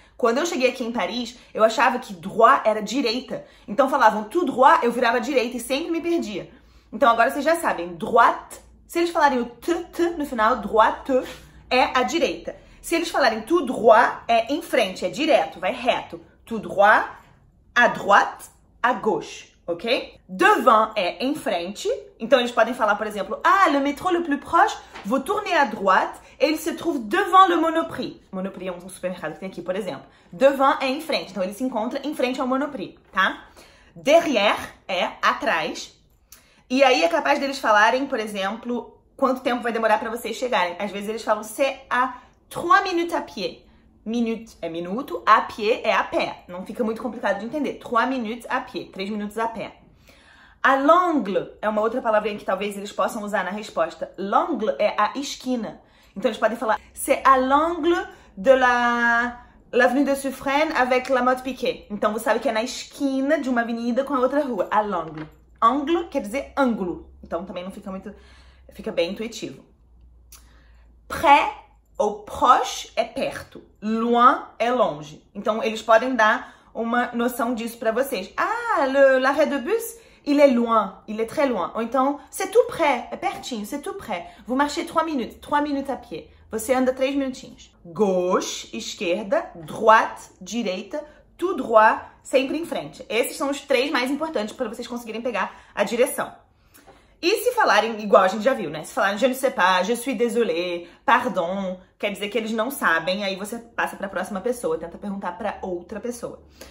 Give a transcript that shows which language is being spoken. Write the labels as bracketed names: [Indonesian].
[Portuguese] Quando eu cheguei aqui em Paris, eu achava que droit era direita. Então falavam [French] tout droit, [Portuguese] eu virava direita e sempre me perdia. Então agora vocês já sabem, droite. Se eles falarem o t, t no final, droite, é a direita. Se eles falarem [French] tout droit, [Portuguese] é em frente, é direto, vai reto. [French] Tout droit, à droite, à gauche, ok? Devant [Portuguese] é em frente. Então eles podem falar, por exemplo, ah, [French] le métro le plus proche, vous tournez à droite, et il se trouve devant le Monoprix. [Portuguese] Monoprix é um supermercado que tem aqui, por exemplo. Devant é em frente, então ele se encontra em frente ao Monoprix, tá? Derrière é atrás. E aí é capaz deles falarem, por exemplo, quanto tempo vai demorar para vocês chegarem. Às vezes eles falam, [French] c'est à 3 minutes à pied. [Portuguese] Minute é minuto, à pied é a pé. Não fica muito complicado de entender. [French] 3 minutes à pied, [Portuguese] 3 minutos a pé. À l'angle é uma outra palavrinha que talvez eles possam usar na resposta. L'angle é a esquina. Então eles podem falar, [French] c'est à l'angle de la... l'avenue de Suffren avec la Motte-Piquet. [Portuguese] Então você sabe que é na esquina de uma avenida com a outra rua. À l'angle. Ângulo quer dizer ângulo, então também não fica muito, fica bem intuitivo. Près ou proche é perto, loin é longe. Então eles podem dar uma noção disso para vocês. [French] Ah, l'arrêt de bus, il est très loin. [Portuguese] Ou então, [French] c'est tout près, [Portuguese] é pertinho, [French] c'est tout près. Vous marchez 3 minutes à pied. [Portuguese] Você anda 3 minutinhos. Gauche, esquerda, droite, direita, [French] tout droit, [Portuguese] sempre em frente. Esses são os três mais importantes para vocês conseguirem pegar a direção. E se falarem, igual a gente já viu, né? Se falarem [French] je ne sais pas, je suis désolé, pardon, [Portuguese] quer dizer que eles não sabem, aí você passa para a próxima pessoa, tenta perguntar para outra pessoa.